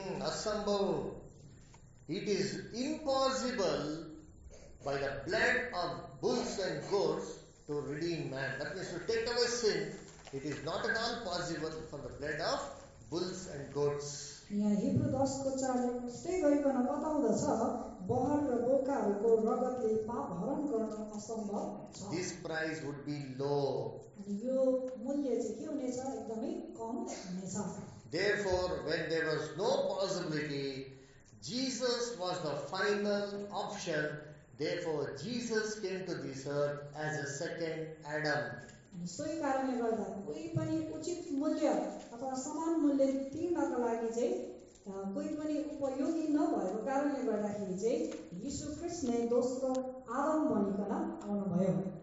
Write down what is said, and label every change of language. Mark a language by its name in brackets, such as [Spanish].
[English] असम्भव It is impossible by the blood of bulls and goats to redeem man. That means to take away sin, it is not at all possible for the blood of bulls and goats. [Nepali] यहाँ Hebrew 10 4 त्यस्तै गरिकन बताउँदछ बहर र बोकाहरूको रगतले पाप हरण गर्न असम्भव छ [English] this price would be low [Nepali] यो मूल्य चाहिँ के हुनेछ एकदमै कम हुनेछ [English] Therefore when there was no possibility Jesus was the final option. Therefore, Jesus came to this earth as a second Adam. [Nepali] सोही कारणले गर्दा कोही पनि उचित मूल्य अथवा समान मूल्य तिर्नको लागि चाहिँ कोही पनि उपयोगी नभएको कारणले गर्दाखेरि चाहिँ यीशु ख्रीष्टले दोस्रो आदम बनिकन आउनुभयो.